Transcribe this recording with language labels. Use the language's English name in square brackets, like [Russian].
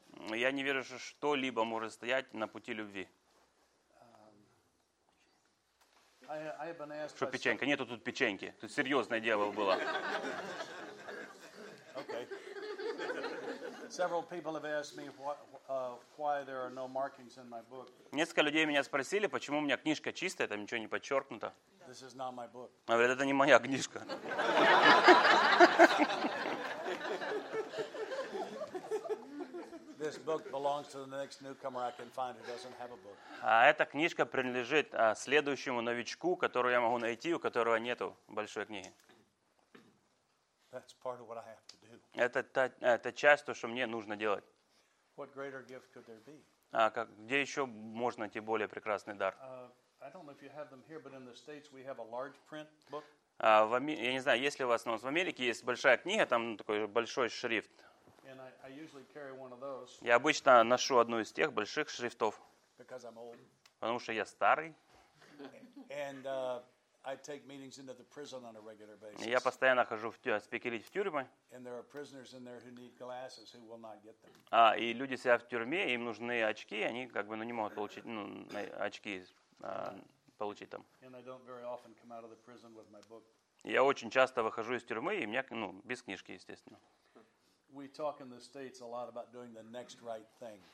[Russian] Я не верю, что что-либо может стоять на пути любви. Что печенька? Нету тут печеньки. Тут серьезное дело было. [English] Okay. Several people have asked me why there are no markings in my book. [Russian] Несколько людей меня спросили, почему у меня книжка чистая, там ничего не подчеркнуто. [English] This is not my book. [Russian] А ведь это не моя книжка. [English] This book belongs to the next newcomer I can find who doesn't have a book. [Russian] А эта книжка принадлежит следующему новичку, которого я могу найти, у которого нету большой книги. [English] That's part of what I have to do. [Russian] Это часть того, что мне нужно делать. [English] What greater gift could there be? [Russian] Где еще можно найти более прекрасный дар? [English] I don't know if you have them here, but in the States we have a large print book. [Russian] Я не знаю, есть ли у вас, но в Америке есть большая книга, там такой большой шрифт. [English] And I usually carry one of those. [Russian] Я обычно ношу одну из тех больших шрифтов. [English] Because I'm old. [Russian] Потому что я старый. [English] And I take meetings into the prison on a regular basis. [Russian] Я постоянно хожу спикерить в тюрьмы. [English] And there are prisoners in there who need glasses who will not get them. [Russian] И люди сидят в тюрьме, им нужны очки, они как бы не могут получить очки получить там. [English] And I don't very often come out of the prison with my book. [Russian] Я очень часто выхожу из тюрьмы и у меня без книжки, естественно. [English] We talk in the States a lot about doing the next right thing.